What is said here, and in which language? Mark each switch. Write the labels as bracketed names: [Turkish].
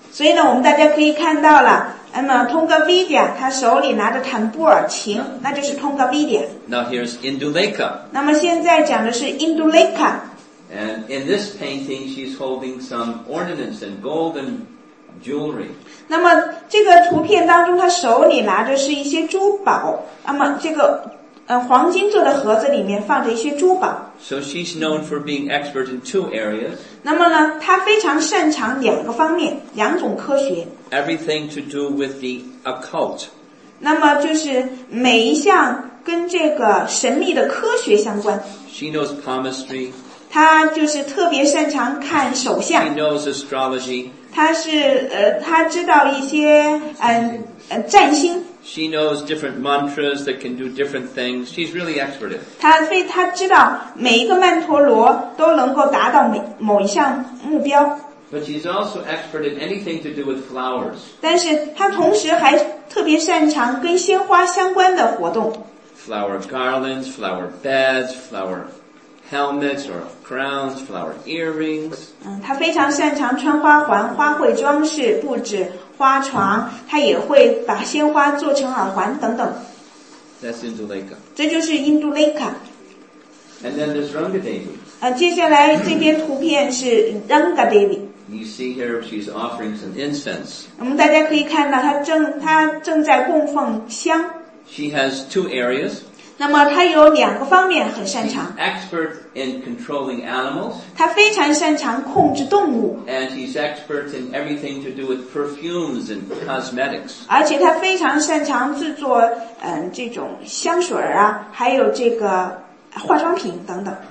[Chinese] 所以呢，我们大家可以看到了，那么 Tongavidya 他手里拿着 tambour 琴，那就是 Tongavidya。 [English] Now here's Indulekha. [Chinese] 那么现在讲的是 Indulekha。 [English] And in this painting, she's holding some ornaments and gold and jewelry. [Chinese] 那么这个图片当中，她手里拿着是一些珠宝，那么这个黄金做的盒子里面放着一些珠宝。 [English] So she's known for being expert in two areas. [Chinese] 那么呢，她非常擅长两个方面，两种科学。 [English] Everything to do with the occult. [Chinese] 那么就是每一项跟这个神秘的科学相关。 [English] She knows palmistry. [Chinese] 她就是特别擅长看手相。 [English] She knows astrology. [Chinese] 她是她知道一些占星。 [English] She knows different mantras that can do different things. She's really expert at it. [Chinese] 她知道每一个曼陀罗都能够达到某一项目标。 [English] But she's also expert at anything to do with flowers. [Chinese] 但是她同时还特别擅长跟鲜花相关的活动。 [English] Flower garlands, flower beds, flower helmets or crowns, flower earrings. [Chinese] 她非常擅长穿花环、花卉装饰、布置。花床，他也会把鲜花做成耳环等等。 [English] That's Indulekha. [Chinese] 这就是 Indulekha. [English] And then there's Ranga Devi. [Chinese] 接下来这边图片是 Ranga Devi. [English] You see here she's offering some incense. [Chinese] 我们大家可以看到她正在供奉香。 [English] She has two areas. [Chinese] 那么她有两个方面很擅长。 [English] She's expert in controlling animals. [Chinese] 她非常擅长控制动物。 [English] And she's expert in everything to do with perfumes and cosmetics. [Chinese] 而且她非常擅长制作这种香水啊，还有这个化妆品等等。